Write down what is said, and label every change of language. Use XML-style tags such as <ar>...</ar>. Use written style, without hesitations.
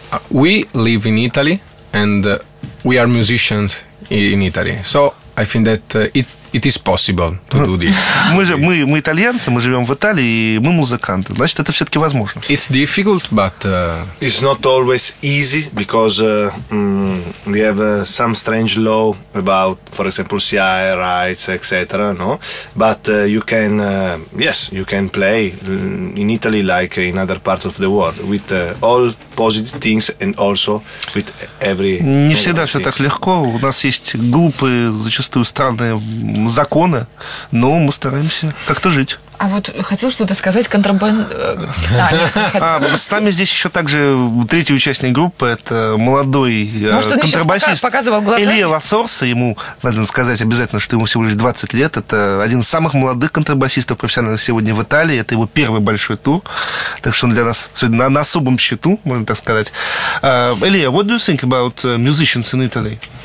<en>We live in Italy, and we are musicians in Italy. So I think that it is possible to do this.</en> <ru>Мы итальянцы, мы живем в Италии, и мы музыканты. Значит, это все-таки возможно.</ru> <en>It's difficult, but it's not always easy because we have some strange law about, for example, CI rights, etc. No, but you can, yes, you can play in Italy like in other parts of the world with all positive things and also with every.</en> <ru>Не всегда все так легко. У нас есть глупые, зачастую странные законы, но мы стараемся как-то жить. А вот хотел что-то сказать С нами здесь еще также третий участник группы, это молодой контрабасист. Может, он показывал глаза? Илья Ласорса, ему надо сказать обязательно, что ему всего лишь 20 лет. Это один из самых молодых контрабасистов профессиональных сегодня в Италии. Это его первый большой тур. Так что он для нас сегодня на особом счету, можно так сказать.</ru> <en>Илья, what do you think about musicians in Italy?</en>